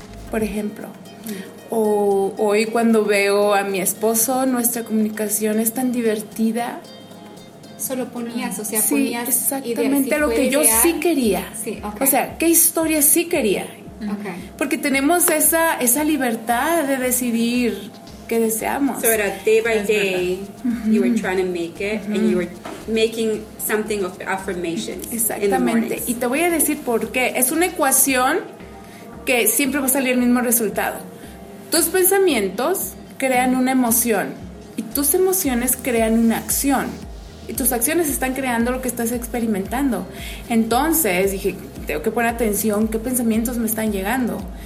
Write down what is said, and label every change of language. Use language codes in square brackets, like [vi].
[es] Por ejemplo, o hoy cuando veo a mi esposo, nuestra comunicación es tan divertida. Solo ponías, o sea, sí, ponías exactamente lo que yo sí quería. Sí, okay. O sea, ¿qué historia sí quería? Okay. Porque tenemos esa libertad de decidir qué deseamos. [en] So era day by day, you were trying to make it, and you were making something of affirmations. [es] Exactamente. Y te voy a decir por qué. Es una ecuación que siempre va a salir el mismo resultado. Tus pensamientos crean una emoción y tus emociones crean una acción y tus acciones están creando lo que estás experimentando. Entonces dije, tengo que poner atención qué pensamientos me están llegando.